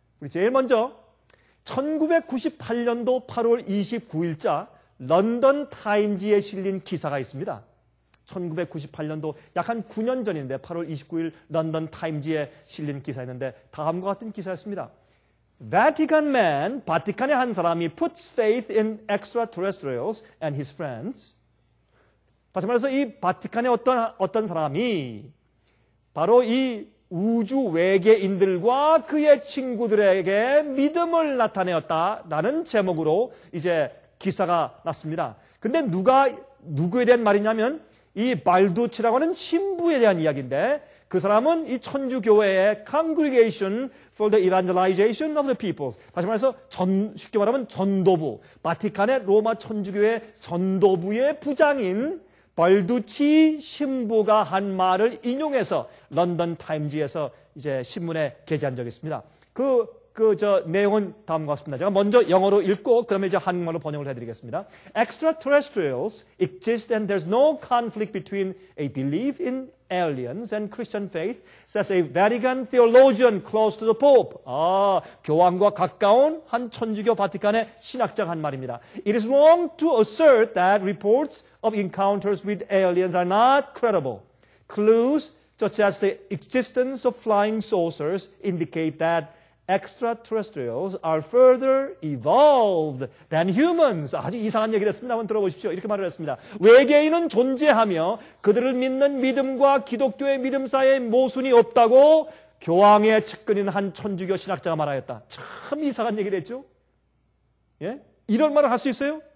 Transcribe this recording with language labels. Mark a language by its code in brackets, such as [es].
[ko] 우리 제일 먼저 1998년도 8월 29일자 런던 타임즈에 실린 기사가 있습니다. 1998년도 약 한 9년 전인데 8월 29일 런던 타임즈에 실린 기사였는데 다음과 같은 기사였습니다. [en] Vatican man, [ko] 바티칸의 한 사람이 [en] puts faith in extraterrestrials and his friends. [ko] 다시 말해서 이 바티칸의 어떤 사람이 바로 이 우주 외계인들과 그의 친구들에게 믿음을 나타내었다라는 제목으로 이제 기사가 났습니다. 근데 누구에 대한 말이냐면 이 발두치라고 하는 신부에 대한 이야기인데 그 사람은 이 천주교회의 Congregation for the Evangelization of the People. 다시 말해서 쉽게 말하면 전도부. 바티칸의 로마 천주교회 전도부의 부장인 벌두치 신부가 한 말을 인용해서 런던 타임즈에서 이제 신문에 게재한 적이 있습니다. 저 내용은 다음과 같습니다. 제가 먼저 영어로 읽고 그다음에 이제 한국말로 번역을 해드리겠습니다. [en] Extraterrestrials exist and there's no conflict between a belief in aliens and Christian faith, says a Vatican theologian close to the Pope. [ko] 아, 교황과 가까운 한 천주교 바티칸의 신학자가 한 말입니다. [en] It is wrong to assert that reports of encounters with aliens are not credible. Clues such as the existence of flying saucers indicate that extraterrestrials are further evolved than humans. [ko] 아주 이상한 얘기를 했습니다. 한번 들어보십시오. 이렇게 말을 했습니다. 외계인은 존재하며 그들을 믿는 믿음과 기독교의 믿음 사이에 모순이 없다고 교황의 측근인 한 천주교 신학자가 말하였다. 참 이상한 얘기를 했죠. 예? 이런 말을 할 수 있어요?